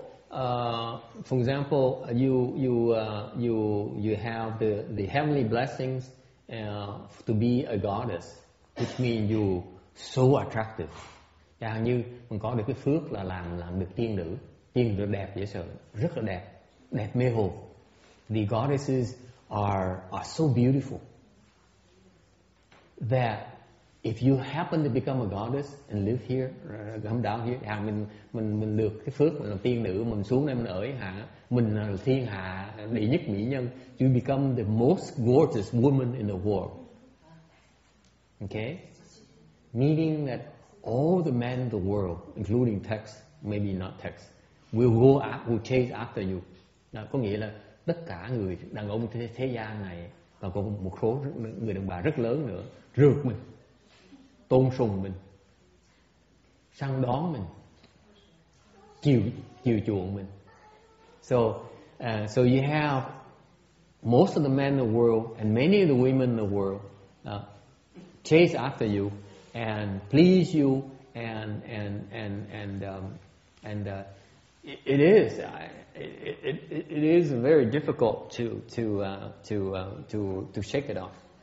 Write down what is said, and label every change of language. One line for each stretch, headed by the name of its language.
English: For example, you have the heavenly blessings to be a goddess, which means you so attractive.
Vietnamese: Chẳng như mình có được cái phước là làm được tiên nữ đẹp dễ sợ, rất là đẹp, đẹp mê hồn.
English: The goddesses are so beautiful that if you happen to become a goddess and live here, come down here,
Vietnamese: à, mình được cái phước mình làm tiên nữ, mình xuống đây mình ở hả, mình là thiên hạ đệ nhất mỹ nhân,
English: you become the most gorgeous woman in the world. Okay? Meaning that all the men in the world, including text, maybe not text, will chase after you.
Vietnamese: À, có nghĩa là tất cả người đàn ông thế gian này, và còn một số người đàn bà rất lớn nữa, rượt mình. Tôn sùng mình, săn đón mình, chiều chuộng mình.
English: So you have most of the men in the world and many of the women in the world chase after you and please you and it is very difficult to shake it off.